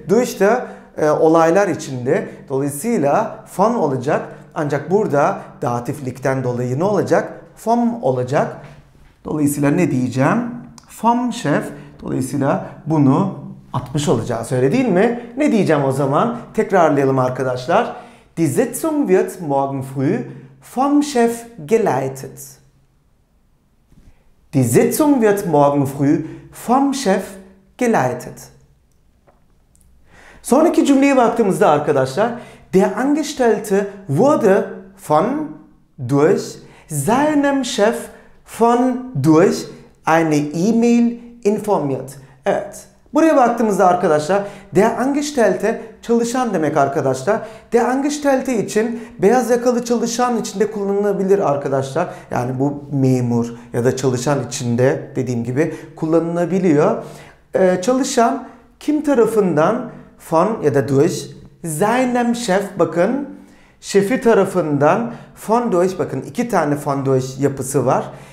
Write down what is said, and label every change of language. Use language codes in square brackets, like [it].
[tr] Durch de olaylar içinde. Dolayısıyla von olacak. Ancak burada datiflikten dolayı ne olacak? Vom olacak. Dolayısıyla ne diyeceğim? [de] Vom Chef. [tr] Dolayısıyla bunu 60 olacağı söylediğin mi? Ne diyeceğim o zaman? Tekrarlayalım arkadaşlar. [de] Die Sitzung wird morgen früh vom Chef geleitet. Die Sitzung wird morgen früh vom Chef geleitet. [tr] Sonraki cümleye baktığımızda arkadaşlar, [de] der Angestellte wurde von durch seinem Chef von durch eine E-Mail informiert. [tr] Evet. Buraya baktığımızda arkadaşlar, [de] der Angestellte [tr] çalışan demek arkadaşlar. [de] Der Angestellte [tr] için beyaz yakalı çalışan içinde kullanılabilir arkadaşlar. Yani bu memur ya da çalışan içinde dediğim gibi kullanılabiliyor. Çalışan kim tarafından? Von ya da durch [de] seinem Chef, [tr] bakın şefi tarafından, von durch, bakın iki tane von durch yapısı var.